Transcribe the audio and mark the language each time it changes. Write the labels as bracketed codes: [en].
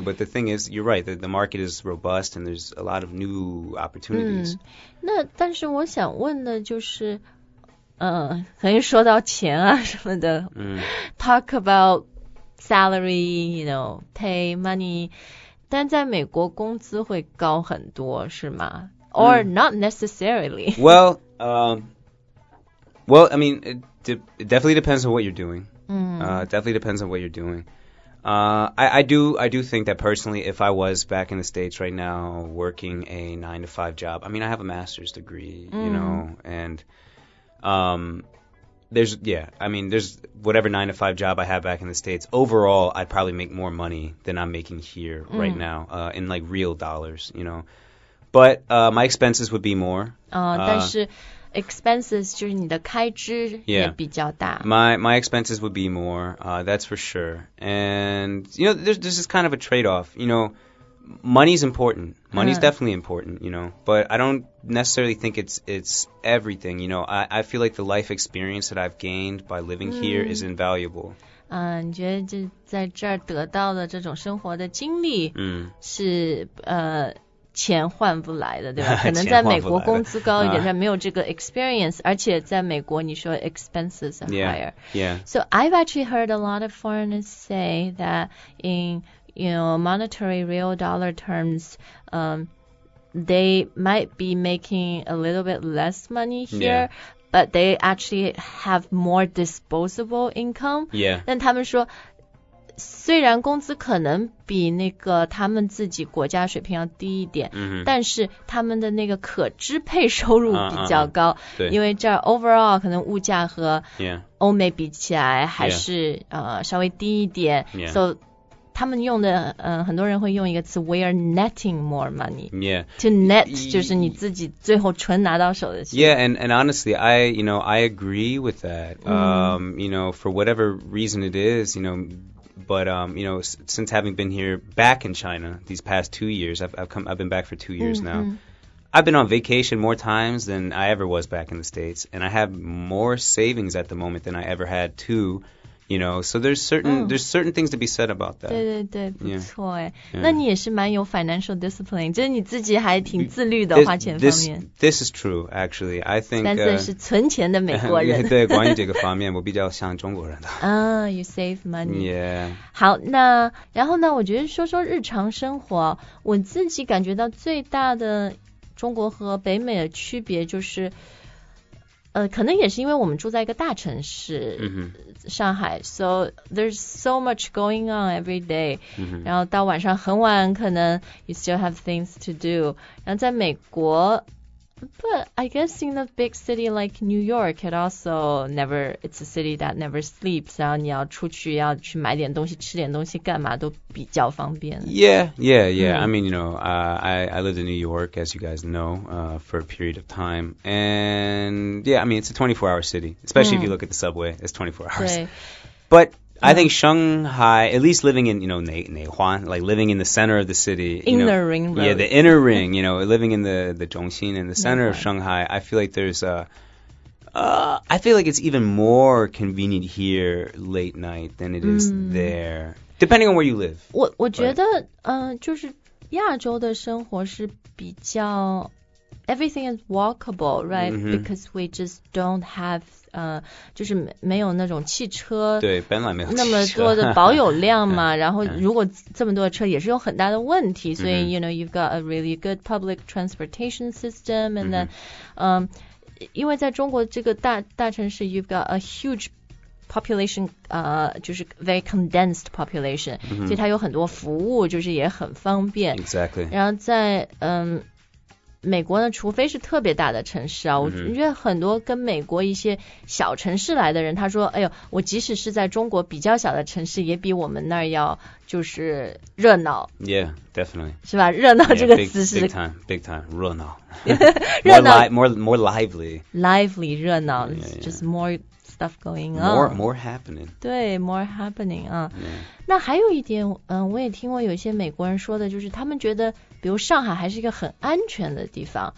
[en] But the thing is, you're right, the market is robust and there's a lot of new opportunities. [zh] 那但是我想问的就是等于说到钱啊什么的、 [en] talk about salary, you know, pay, money, [zh] 但在美国工资会高很多是吗 [en] or、not necessarily. Well,、well, I mean, it definitely depends on what you're doing.、definitely depends on what you're doing.、I do think that personally, if I was back in the States right now working a 9-to-5 job, I mean, I have a master's degree,、you know, and... there's whatever 9-to-5 job I have back in the States, overall, I'd probably make more money than I'm making here right now, in like real dollars, you know. But, my expenses would be more. [zh] 但是 expenses 就是你的开支也比较大。 [en] My expenses would be more, that's for sure. And, you know, there's just kind of a trade-off, you know. Money's important. Money's definitely important, you know. But I don't necessarily think it's everything, you know. I feel like the life experience that I've gained by living here is invaluable. [zh] 你觉得这在这儿得到的这种生活的经历是钱换不来的，对吧？可能在美国工资高一点，但没有这个 experience. 而且在美国你说 [en] expenses are higher. Yeah, yeah. So I've actually heard a lot of foreigners say that in... You know, monetary real dollar terms, they might be making a little bit less money here, but they actually have more disposable income. Yeah. [zh] 但他们说，虽然工资可能比那个他们自己国家水平要低一点，但是他们的那个可支配收入比较高，因为这儿 overall 可能物价和欧美比起来还是稍微低一点，so. 他们用的很多人会用一个词 [en] we are netting more money. Yeah. [zh] To net 就是你自己最后纯拿到手的钱。 [en] Yeah, and honestly, I agree with that. You know, for whatever reason it is, you know, but you know, since having been here back in China these past 2 years, I've been back for 2 years now. I've been on vacation more times than I ever was back in the States, and I have more savings at the moment than I ever had too. You know, so there's certain things to be said about that. [zh] 对对对，不错哎。那你也是蛮有 [en] financial discipline， [zh] 就是你自己还挺自律的花钱方面。 [en] This is true, actually. I think. [zh] 但是存钱的美国人。对，关于这个方面，我比较像中国人的。 [en] You save money. Yeah. [zh] 好，那然后呢？我觉得说说日常生活，我自己感觉到最大的中国和北美的区别就是。可能也是因为我们住在一个大城市、上海 [en] so there's so much going on every day、 [zh] 然后到晚上很晚可能 [en] you still have things to do [zh] 然后在美国 [en] but I guess in a big city like New York it also never it's a city that never sleeps [zh] 然后你要出去要去买点东西吃点东西干嘛都比较方便 [en] yeah、I mean you know、I lived in New York as you guys know、for a period of time and yeah I mean it's a 24-hour city especially、if you look at the subway it's 24 hours but I think Shanghai, at least living in, you know, Neihuan, like living in the center of the city. Inner ring road. Yeah, the inner ring, you know, living in the Zhongxin, in the center of Shanghai, I feel like there's a... I feel like it's even more convenient here late night than it is there, depending on where you live. [zh] 我觉得就是亚洲的生活是比较 [en] everything is walkable, right? Mm-hmm. Because we just don't have [zh] 就是没有那种汽车，对，本来没有汽车那么多的保有量嘛。然后如果这么多车也是有很大的问题，所以 [en] you know you've got a really good public transportation system, and then [zh] 因为在中国这个大城市 [en] you've got a huge population 就是 very condensed population、mm-hmm. [zh] 所以它有很多服务就是也很方便 [en] exactly [zh] 然后在美国呢除非是特别大的城市啊、mm-hmm. 我觉得很多跟美国一些小城市来的人他说哎呦我即使是在中国比较小的城市也比我们那儿要就是热闹 [en] yeah definitely [zh] 是吧热闹这个词是 [en] yeah, big time 热闹 [zh] 热闹 [en] more lively 热闹 yeah, yeah. just more stuff going on more happening 对 more happening 啊、 yeah. [zh] 那还有一点我也听过有些美国人说的就是他们觉得比如上海还是一个很安全的地方